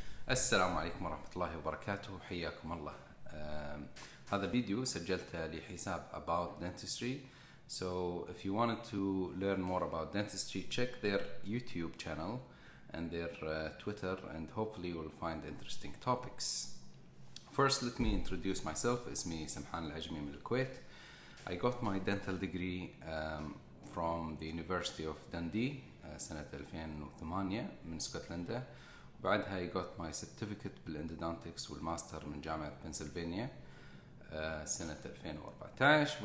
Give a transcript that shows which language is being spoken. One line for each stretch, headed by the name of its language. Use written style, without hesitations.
Arabic: السلام عليكم ورحمة الله وبركاته، حياكم الله. هذا فيديو سجلته لحساب About Dentistry.
English: So if you wanted to learn more about dentistry, check their YouTube channel and their Twitter, and hopefully you will find interesting topics. First, let me introduce myself.
Arabic: اسمي سمحان العجمي من الكويت.
English: I got my dental degree from the University of Dundee
Arabic: سنة 2008 من اسكتلندا. بعدها
English: I got my certificate
Arabic: بالإندودونتكس والماستر من جامعة بنسلفانيا سنة 2014.